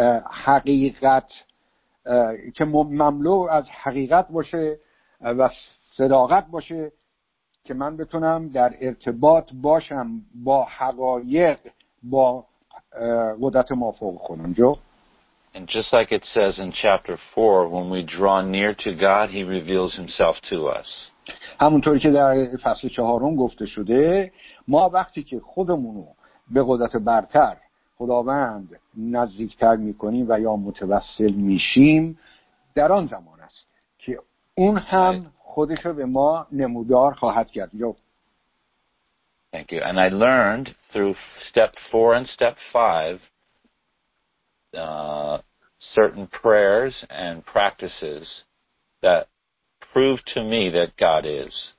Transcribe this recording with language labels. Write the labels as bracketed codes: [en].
[fa] حقیقت که مملو از حقیقت باشه و صداقت باشه که من بتونم در ارتباط باشم با حقایق، با قدرت مافوق خودم. جو. [en] And just like it says in chapter 4, when we draw near to God, he reveals himself to us. [fa] همونطوری که در فصل 4 گفته شده، ما وقتی که خودمونو به قدرت برتر خداوند نزدیکتر میکنیم و یا متوسل میشیم، در آن زمان است که اون هم خودش رو به ما نمودار خواهد کرد. جو. [en] Thank you. And I learned through step 4 and step 5 certain prayers and practices that prove to me that God is.